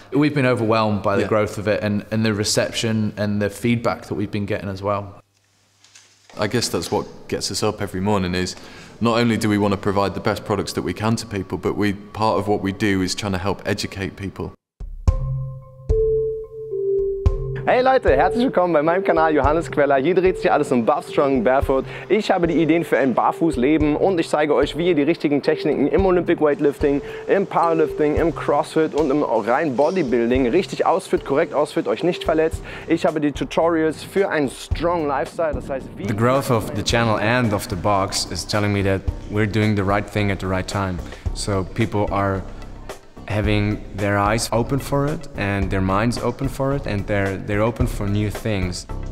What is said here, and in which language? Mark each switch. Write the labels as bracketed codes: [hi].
[en] We've been overwhelmed by the growth of it and the reception and the feedback that we've been getting as well. I guess that's what gets us up every morning is, not only do we want to provide the best products that we can to people, but part of what we do is trying to help educate people. [de] Hey Leute, herzlich willkommen bei meinem Kanal Johannes Queller. Hier dreht sich alles um Barf Strong Barefoot. Ich habe die Ideen für ein Barfußleben und ich zeige euch, wie ihr die richtigen Techniken im Olympic Weightlifting, im Powerlifting, im CrossFit und im rein Bodybuilding richtig ausführt, korrekt ausführt, euch nicht verletzt. Ich habe die Tutorials für ein [en] strong lifestyle. [de] Das heißt, [en] the growth of the channel and of the box is telling me that we're doing the right thing at the right time. So people are having their eyes open for it and their minds open for it, and they're open for new things.